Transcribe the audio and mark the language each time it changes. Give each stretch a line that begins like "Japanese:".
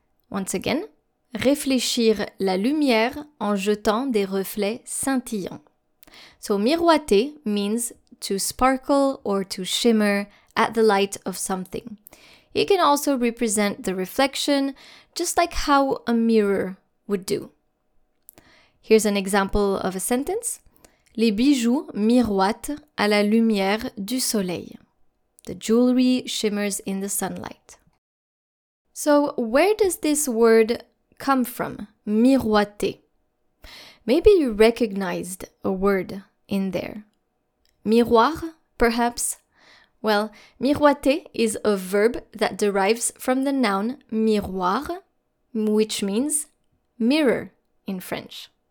English: Once again,
French: réfléchir la lumière en jetant des reflets scintillants.
English: So miroiter means to sparkle or to shimmer at the light of something. It can also represent the reflection, just like how a mirror would do. Here's an example of a sentence.
French: Les bijoux miroitent à la lumière du soleil.
English: The jewelry shimmers in the sunlight. So where does this word come from? Miroiter. Maybe you recognized a word in there. Miroir, perhaps? Well, miroiter is a verb that derives from the noun miroir, which means mirror in French.